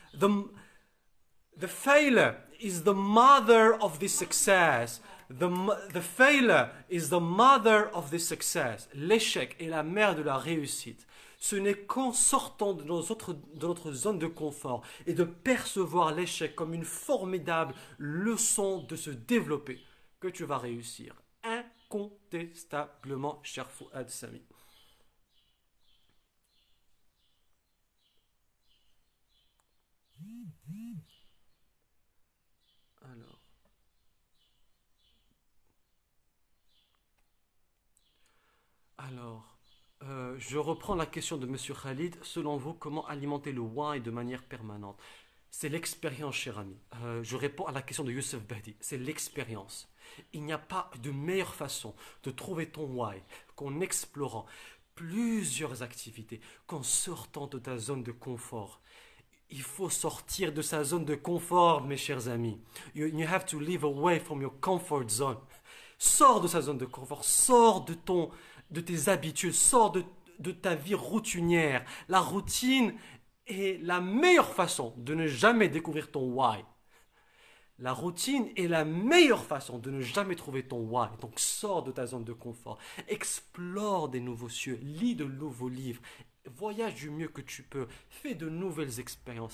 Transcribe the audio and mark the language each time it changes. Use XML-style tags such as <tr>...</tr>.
<en>The failure is the mother of this success. The failure is the mother of this success.</en> <fr>L'échec est la mère de la réussite. Ce n'est qu'en sortant de notre zone de confort et de percevoir l'échec comme une formidable leçon de se développer que tu vas réussir. Incontestablement, cher Fouad Sami. Alors, je reprends la question de Monsieur Khalid. Selon vous, comment alimenter le why de manière permanente? C'est l'expérience, cher ami. Je réponds à la question de Youssef Badi. C'est l'expérience. Il n'y a pas de meilleure façon de trouver ton why qu'en explorant plusieurs activités, qu'en sortant de ta zone de confort. Il faut sortir de sa zone de confort, mes chers amis.</fr> <en>You have to leave away from your comfort zone.</en> <fr>Sors de sa zone de confort. Sors de ton... de tes habitudes, sors de ta vie routinière. La routine est la meilleure façon de ne jamais découvrir ton why. La routine est la meilleure façon de ne jamais trouver ton why. Donc sors de ta zone de confort, explore des nouveaux cieux, lis de nouveaux livres, voyage du mieux que tu peux, fais de nouvelles expériences.</fr>